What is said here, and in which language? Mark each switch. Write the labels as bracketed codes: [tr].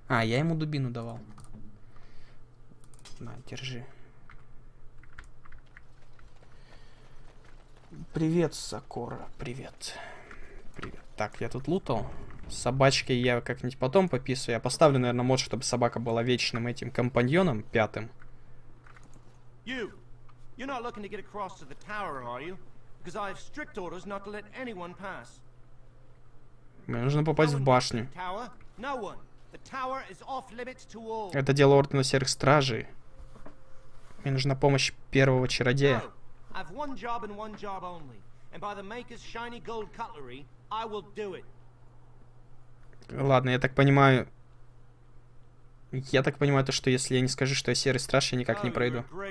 [ru] А, я ему дубину давал. На, держи. Привет, Сокора. Привет. Привет. Так, я тут лутал. С собачкой я как-нибудь потом пописываю. Я поставлю, наверное, мод, чтобы собака была вечным этим компаньоном пятым. [en] You're not looking to get across to the tower, are you? Because I have strict orders not to let anyone pass. [ru] Мне нужно попасть в башню. [en] Tower? No one. The tower is off limits to all. [ru] Это дело Ордена Серых Стражей. Мне нужна помощь первого чародея. [en] No. I have one job and one job only. And by the maker's shiny gold cutlery, I will do it. [ru] Ладно, я так понимаю. Я так понимаю, то, что если я не скажу, что я серый страж, я никак не пройду.